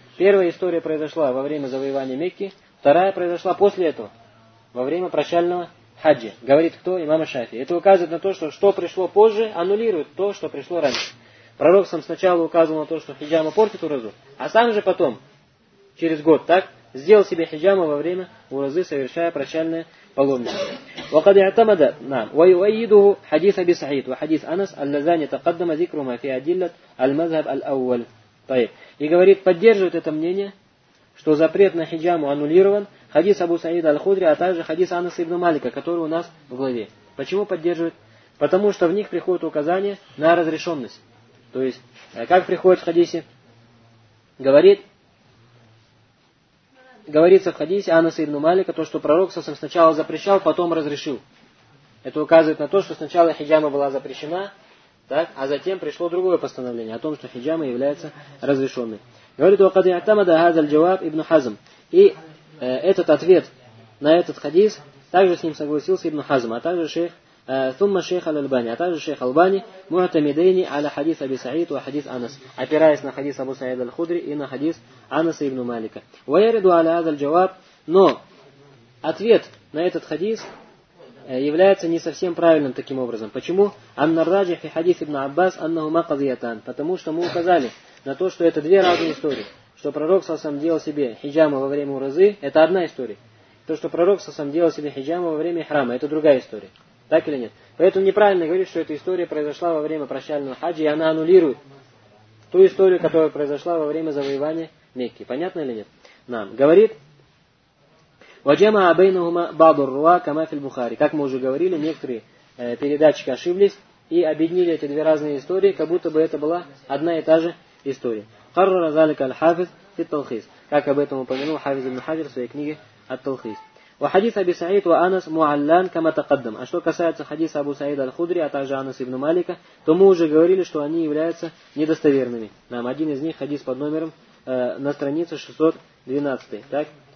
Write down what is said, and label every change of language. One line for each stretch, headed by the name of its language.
Russian: Первая история произошла во время завоевания Мекки, вторая произошла после этого, во время прощального хаджа. Говорит кто? Имам аш-Шафии. Это указывает на то, что что пришло позже, аннулирует то, что пришло раньше. Пророк сам сначала указывал на то, что хиджама портит уразу, а сам же потом, через год, так, сделал себе хиджама во время уразы, совершая прощальное паломничество.
Arabic: وقد اعتمد نعم ويؤيده حديث أبي سعيد وحديث أنس اللذان تقدم ذكرهما في أدلة المذهب الأول.
Russian: И говорит, поддерживает это мнение, что запрет на хиджаму аннулирован, хадис Абу Саида Аль-Худри, а также хадис Анаса ибн Малика, который у нас в главе. Почему поддерживает? Потому что в них приходит указание на разрешенность. То есть, как приходит в хадисе? Говорится в хадисе Анаса ибн Малика, то, что пророк сам сначала запрещал, потом разрешил. Это указывает на то, что сначала хиджама была запрещена, так, а затем пришло другое постановление о том, что хиджама является разрешенной. Говорит,
Arabic: وَقَدْ يَعْتَمَدَ هَذَا الْجَوَابِ ибн Хазм.
Russian: И этот ответ на этот хадис, также с ним согласился ибн Хазм, а также шейх Сумма шейх Аль-Альбани, а также шейх Албани,
Arabic: مُعْتَمِدَيْنِ عَلَى حَدِيثَ أَبِي سَعِيدَ وَحَدِيثَ
Russian: Анас, опираясь на хадис Абу Саид Аль-Худри и на хадис Анаса ибн Малика.
Arabic: وَيَرِدُ عَلَى هَذَا الْجَوَابِ.
Russian: Но ответ на этот хадис является не совсем правильным таким образом. Почему?
Arabic: Ан-нарраджих фи хадис ибн Аббас аннаху макъзиятан.
Russian: Потому что мы указали на то, что это две разные истории. Что пророк сам делал себе хиджаму во время уразы, это одна история. То, что пророк сам делал себе хиджаму во время храма, это другая история. Так или нет? Поэтому неправильно говорить, что эта история произошла во время прощального хаджа, и она аннулирует ту историю, которая произошла во время завоевания Мекки. Понятно или нет? Нам. Говорит
Arabic: وجمع بينهما بعض الرواة كما في البخاري.
Russian: Как мы уже говорили, некоторые передатчики ошиблись и объединили эти две разные истории, как будто бы это была одна и та же история.
Arabic: قرر ذلك الحافظ في التلخيص.
Russian: Как об этом упомянул Хафиз ибн Хаджар в своей книге «Ат-Талхис».
Arabic: وحديث أبي سعيد وأنس معلان كما تقدم.
Russian: А что касается хадиса Абу Саида аль-Худри, а также Анаса ибн Малика, то мы уже говорили, что они являются недостоверными. Нам один из них хадис под номером на странице 612. Так?